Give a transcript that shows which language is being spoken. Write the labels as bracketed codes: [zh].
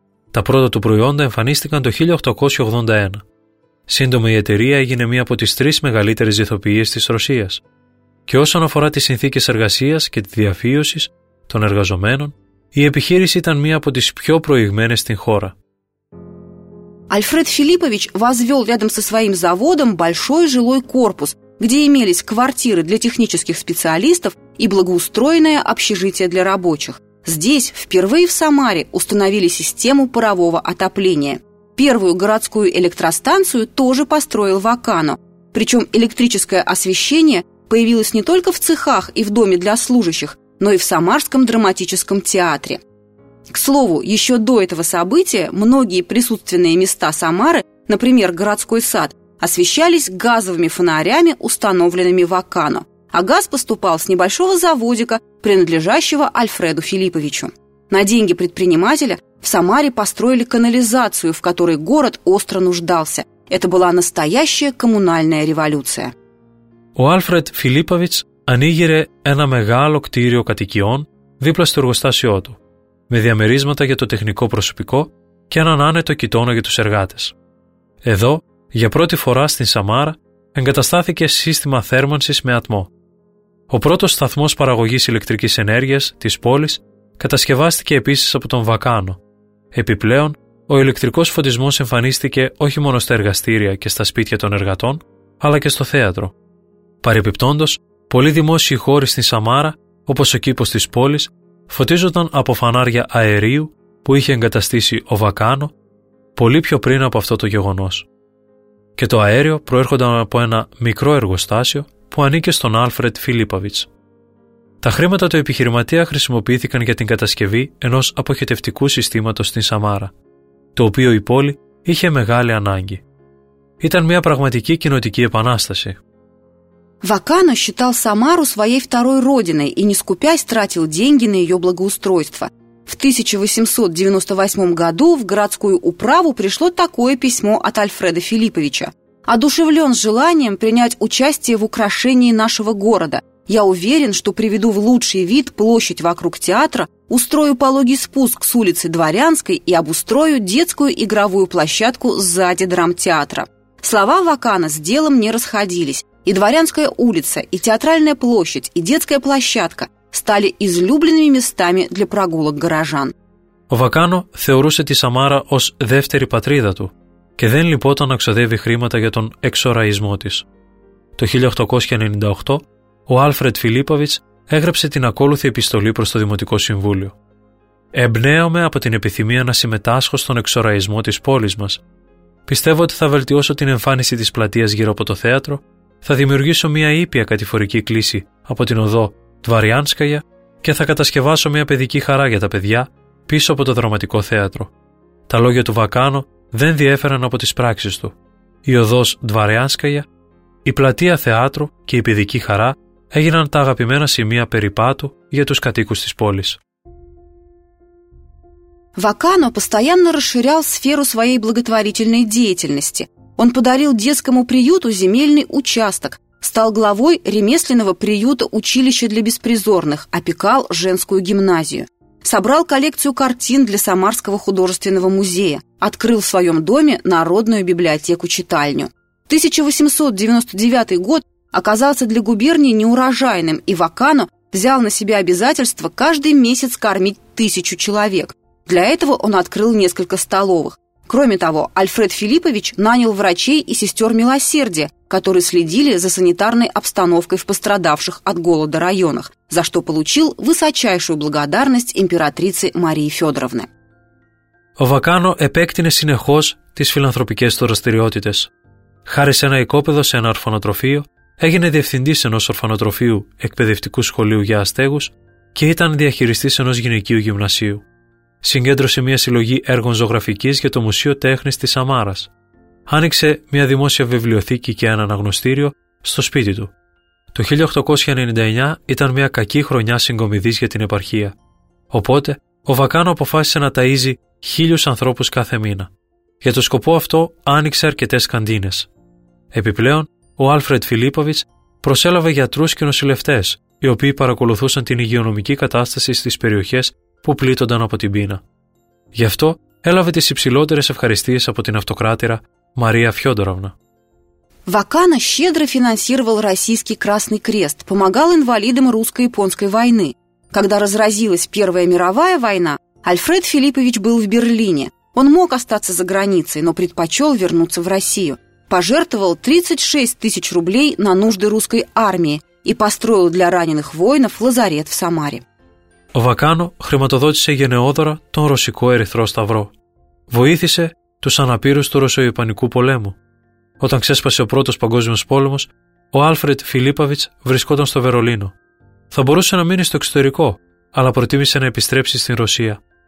[el] Τα πρώτα του προϊόντα εμφανίστηκαν το 1881. Σύντομα η εταιρεία έγινε μία από τις τρεις μεγαλύτερες ζυθοποιείες της Ρωσίας. Και όσον αφορά τις συνθήκες εργασίας και τη διαφύωση των εργαζομένων, η επιχείρηση ήταν μία από τις πιο προηγμένες στην χώρα. [ru] Альфред Филиппович возвел рядом со своим заводом большой жилой корпус, где имелись квартиры для технических специалистов и благоустроенное общежитие для рабочих. Здесь впервые в Самаре установили систему парового отопления. Первую городскую электростанцию тоже построил Вакано. Причем электрическое освещение появилось не только в цехах и в доме для служащих, но и в Самарском драматическом театре. К слову, еще до этого события многие присутственные места Самары, например, городской сад, освещались газовыми фонарями, установленными в Акано. А газ поступал с небольшого заводика, принадлежащего Альфреду Филипповичу. На деньги предпринимателя в Самаре построили канализацию, в которой город остро нуждался. Это была настоящая коммунальная революция. [el] У Альфред Филиппович ανοίγειρε ένα μεγάλο κτίριο κατοικιών δίπλα στο εργοστάσιό του, με διαμερίσματα για το τεχνικό προσωπικό και έναν άνετο κοιτώνα για τους εργάτες. Εδώ, για πρώτη φορά στην Σαμάρα, εγκαταστάθηκε σύστημα θέρμανσης με ατμό. Ο πρώτος σταθμός παραγωγής ηλεκτρικής ενέργειας της πόλης κατασκευάστηκε επίσης από τον Βακάνο. Επιπλέον, ο ηλεκτρικός φωτισμός εμφανίστηκε όχι μόνο στα εργαστήρια και στα σπίτια των εργατών, αλλά και στο θέατρο. Παρεπιπτόντως, πολλοί δημόσιοι χώροι στην Σαμάρα, όπως ο κήπος της πόλης, φωτίζονταν από φανάρια αερίου που είχε εγκαταστήσει ο Βακάνο πολύ πιο πριν από αυτό το γεγονός. Και το αέριο προέρχονταν από ένα μικρό εργοστάσιο που ανήκε στον Άλφρεντ Φιλίπαβιτς. Τα χρήματα του επιχειρηματία χρησιμοποιήθηκαν για την κατασκευή ενός αποχετευτικού συστήματος στην Σαμάρα, το οποίο η πόλη είχε μεγάλη ανάγκη. Ήταν μια πραγματική κοινοτική επανάσταση. [ru] Вакано считал Самару своей второй родиной и, не скупясь, тратил деньги на ее благоустройство. В 1898 году в городскую управу пришло такое письмо от Альфреда Филипповича. «Одушевлен желанием принять участие в украшении нашего города. Я уверен, что приведу в лучший вид площадь вокруг театра, устрою пологий спуск с улицы Дворянской и обустрою детскую игровую площадку сзади драмтеатра». Слова Вакано с делом не расходились. И Дворянская улица, и Театральная площадь, и детская площадка стали излюбленными местами для прогулок горожан. [el] Ο Βακάνο θεωρούσε τη Σαμάρα ως δεύτερη πατρίδα του και δεν λυπόταν να ξοδεύει χρήματα για τον εξοραϊσμό της. Το 1898, ο Άλφρεντ Φιλίπαβιτς έγραψε την ακόλουθη επιστολή προς το Δημοτικό Συμβούλιο. «Εμπνέομαι από την επιθυμία να συμμετάσχω στον εξοραϊσμό της πόλης μας. Πιστεύω ότι θα βελτιώσω την εμφάνιση της πλατείας γύρω από το θέατρο. Θα δημιουργήσω μια ήπια κατηφορική κλίση από την οδό Τβαριάνσκαγια και θα κατασκευάσω μια παιδική χαρά για τα παιδιά πίσω από το δραματικό θέατρο». Τα λόγια του Βακάνο δεν διέφεραν από τις πράξεις του. η οδός Δβαριάνσκαγια, η πλατεία θεάτρου και η παιδική χαρά έγιναν τα αγαπημένα σημεία περιπάτου για τους κατοίκους της πόλης. [ru] Вакано постоянно расширял сферу своей благотворительной деятельности. Он подарил детскому приюту земельный участок, стал главой ремесленного приюта училища для беспризорных, опекал женскую гимназию. Собрал коллекцию картин для Самарского художественного музея, открыл в своем доме народную библиотеку-читальню. 1899 год оказался для губернии неурожайным, и Вакано взял на себя обязательство каждый месяц кормить 1000 человек. Для этого он открыл несколько столовых. Кроме того, Альфред Филиппович нанял врачей и сестер милосердия, которые следили за санитарной обстановкой в пострадавших от голода районах, за что получил высочайшую благодарность императрицы Марии Федоровны. [el] Вакано επέκτηνε συνεχώς τις φιλανθρωπικές του δραστηριότητες. Χάρη σε ένα οικόπεδο σε ένα ορφανοτροφείο, έγινε διευθυντής ενός ορφανοτροφείου εκπαιδευτικού σχολείου για αστέγους και ήταν διαχειριστής ενός γυναικείου γυμνασίου. Συγκέντρωσε μια συλλογή έργων ζωγραφικής για το Μουσείο Τέχνης της Σαμάρας. Άνοιξε μια δημόσια βιβλιοθήκη και ένα αναγνωστήριο στο σπίτι του. Το 1899 ήταν μια κακή χρονιά συγκομιδής για την επαρχία. Οπότε, ο Βακάνο αποφάσισε να ταΐζει 1000 ανθρώπους κάθε μήνα. Για το σκοπό αυτό, άνοιξε αρκετές καντίνες. Επιπλέον, ο Άλφρεντ Φιλίπποβιτς προσέλαβε γιατρούς και νοσηλευτές, οι οποίοι παρακολουθούσαν την υγειονομική κατάσταση στις περιοχές που πλήττονταν από την πείνα. Γι' αυτό έλαβε τις υψηλότερες ευχαριστίες από την αυτοκράτηρα Μαρία Φιόντοροβνα. [ru] Βακάνο щедро финансировал Российский Красный Крест, помогал инвалидам русско-японской войны. Когда разразилась Первая мировая война, Альфред Филиппович был в Берлине. Он мог остаться за границей, но предпочел вернуться в Россию. Пожертвовал 36 тысяч рублей на нужды русской армии и построил для раненых воинов лазарет в Самаре. [el] Ο Βακάνο χρηματοδότησε γενναιόδωρα τον Ρωσικό Ερυθρό Σταυρό. Βοήθησε τους αναπήρους του Ρωσο-Ιαπωνικού πολέμου. Όταν ξέσπασε ο Πρώτος Παγκόσμιος Πόλεμος, ο Άλφρεντ Φιλίπποβιτς βρισκόταν στο Βερολίνο. Θα μπορούσε να μείνει στο εξωτερικό, αλλά προτίμησε να επιστρέψει στην Ρωσία.